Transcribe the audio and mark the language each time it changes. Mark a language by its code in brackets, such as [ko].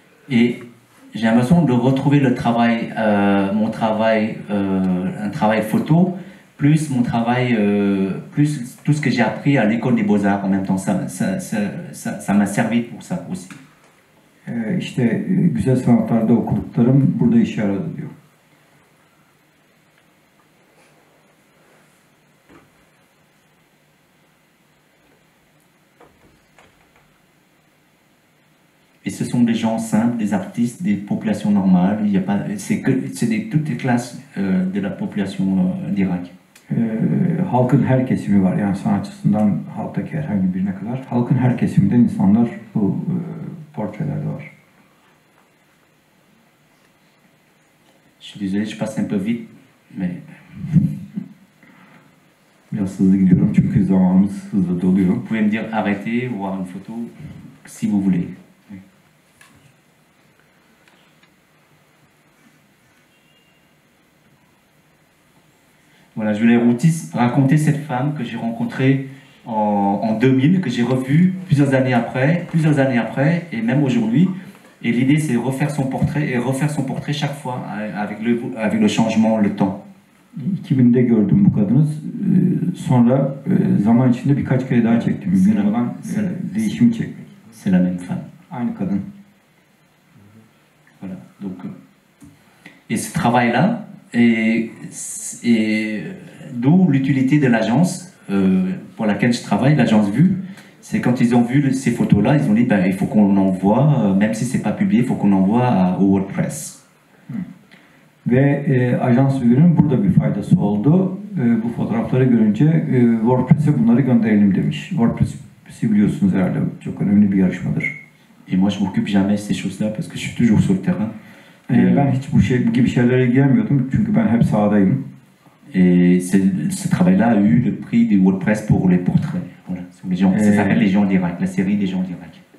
[fr] Et j'ai l'impression de retrouver le travail, mon travail, un travail photo, plus mon travail, plus tout ce que j'ai appris à l'école des beaux-arts en même temps. Ça m'a servi pour ça aussi. [tr] İşte güzel sanatlarda okuduklarım burada işe yaradı diyor. [fr] Et ce sont des gens simples, des artistes, des populations normales. Il y a pas, c'est que c'est des toutes les classes de la population d'Irak. [tr] Halkın her kesimi var. Yani sanatçısından halktaki herhangi birine kadar, halkın her kesiminden insanlar bu portrelerde var. [fr] Je suis désolé, je passe un peu vite, mais [tr] biraz hızlı gidiyorum çünkü zamanımız hızlı doluyor. [fr] Vous pouvez me dire arrêtez, voir une photo, si vous voulez. Voilà, je voulais raconter cette femme que j'ai rencontrée en 2000, que j'ai revue plusieurs années après, et même aujourd'hui. Et l'idée, c'est refaire son portrait et refaire son portrait chaque fois avec le changement, le temps. [tr] 2000'de gördüm bu kadını. Sonra zaman içinde birkaç kere daha çektim. Bir zaman değişim çektim. [fr] C'est la même femme. [tr] Aynı kadın. [fr] Voilà. Donc, et ce travail-là. Et d'où l'utilité de l'agence pour laquelle je travaille, l'agence Vue, c'est quand ils ont vu ces photos-là, ils ont dit ben, il faut qu'on envoie, même si ce n'est pas publié, il faut qu'on envoie au WordPress. [tr] Ve agence Vue'nin burada bir faydası oldu. Bu fotoğrafları görünce WordPress'e bunları gönderelim demiş. WordPress'i biliyorsunuz herhalde, çok önemli bir yarışmadır. [fr] Et moi je m'occupe jamais ces choses-là parce que je suis toujours sur le terrain. [tr] Ben hiç bu şey gibi şeylere gelmiyordum çünkü ben hep sahadayım. [fr] Ce travail-là a eu le prix du WordPress pour les portraits. Voilà. Les gens, ça s'appelle les gens d'Irak, la série des gens d'Irak.